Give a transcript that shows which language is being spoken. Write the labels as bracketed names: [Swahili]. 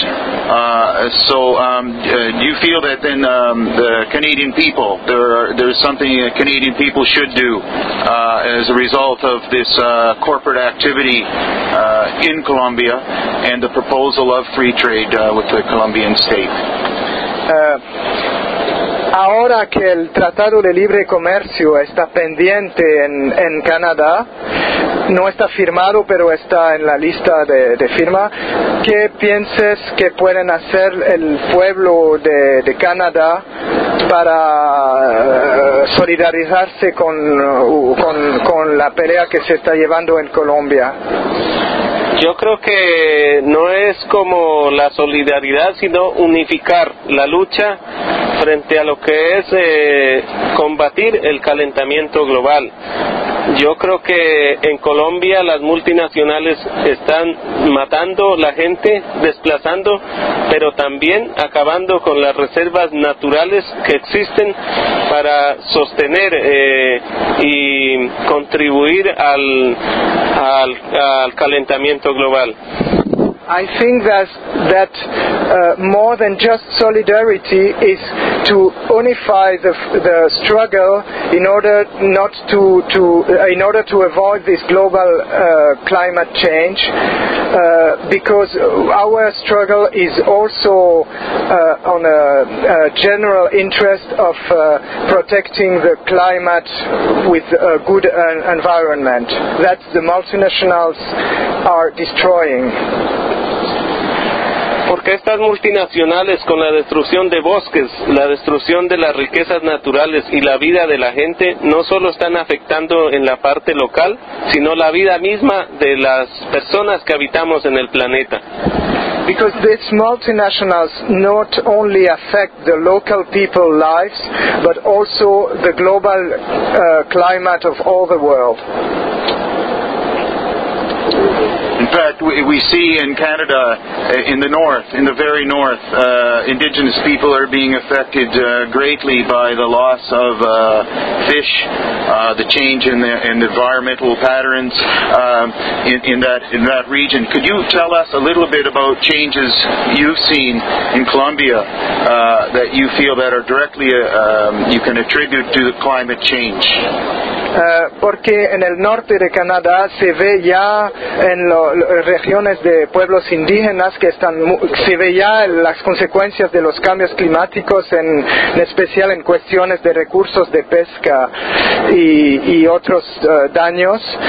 [English] Do you feel that then the Canadian people, there's something the Canadian people should do as a result of this corporate activity in Colombia and the proposal of free trade with the Colombian state? [Spanish] Ahora que el Tratado de Libre Comercio está pendiente en Canadá, no está firmado, pero está en la lista de firma, ¿qué piensas que pueden hacer el pueblo de Canadá para solidarizarse con la pelea que se está llevando en Colombia? Yo creo que no es como la solidaridad, sino unificar la lucha frente a lo que es combatir el calentamiento global. Yo creo que en Colombia las multinacionales están matando la gente, desplazando, pero también acabando con las reservas naturales que existen para sostener y contribuir al calentamiento global. [English] I think that more than just solidarity is to unify the struggle in order to avoid this global climate change, because our struggle is also on a general interest of protecting the climate with a good environment that the multinationals are destroying. [Spanish] Porque estas multinacionales, con la destrucción de bosques, la destrucción de las riquezas naturales y la vida de la gente, no solo están afectando en la parte local, sino la vida misma de las personas que habitamos en el planeta. [English] Because these multinationals not only affect the local people's lives, but also the global climate of all the world. In fact, we see in Canada, in the north, in the very north, indigenous people are being affected greatly by the loss of fish, the change in the environmental patterns in that region. Could you tell us a little bit about changes you've seen in Colombia that you feel that are directly you can attribute to the climate change? [Spanish] porque en el norte de Canadá se ve ya en las regiones de pueblos indígenas que están, se ve ya las consecuencias de los cambios climáticos, en especial en cuestiones de recursos de pesca y otros daños.